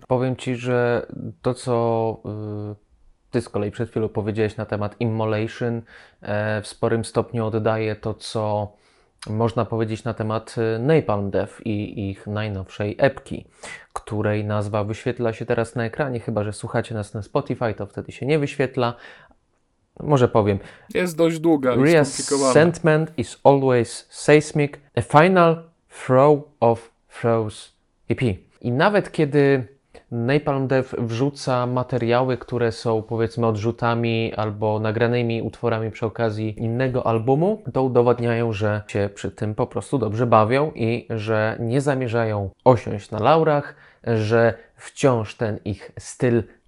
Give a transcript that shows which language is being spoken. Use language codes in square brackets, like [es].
[pl] Powiem ci, że to, co ty z kolei przed chwilą powiedziałeś na temat Immolation, w sporym stopniu oddaje to, co można powiedzieć na temat Napalm Death i ich najnowszej epki, której nazwa wyświetla się teraz na ekranie, chyba że słuchacie nas na Spotify, to wtedy się nie wyświetla. Może powiem. Jest dość długa. [en] Resentment is always seismic. A final throw of throws EP. [pl] I nawet kiedy Napalm Death wrzuca materiały, które są powiedzmy odrzutami albo nagranymi utworami przy okazji innego albumu, to udowadniają, że się przy tym po prostu dobrze bawią i że nie zamierzają osiąść na laurach, że wciąż ten ich styl